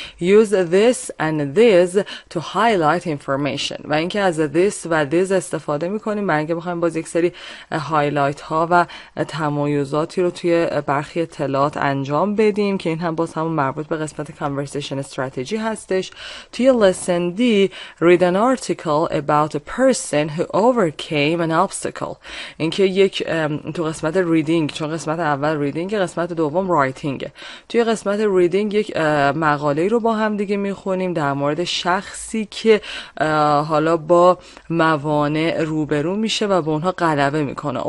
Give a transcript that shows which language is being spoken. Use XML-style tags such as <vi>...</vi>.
<en>Use this and this to highlight information.</en> <fa>و اینکه از this و this استفاده میکنیم برای اینکه بخوایم باز یک سری هایلایت ها و تمایزاتی رو توی برخی اطلاعات انجام بدیم، که این هم باز همون مربوط به قسمت conversation strategy هستش. توی</fa> <en>lesson D read an article about a person who overcame an obstacle.</en> <fa>اینکه یک تو قسمت reading، چون قسمت اول reading، قسمت دوم writing، توی قسمت ریدینگ یک مقاله رو با هم دیگه میخونیم در مورد شخصی که حالا با موانع روبرو میشه و به اونها غلبه میکنه.</fa>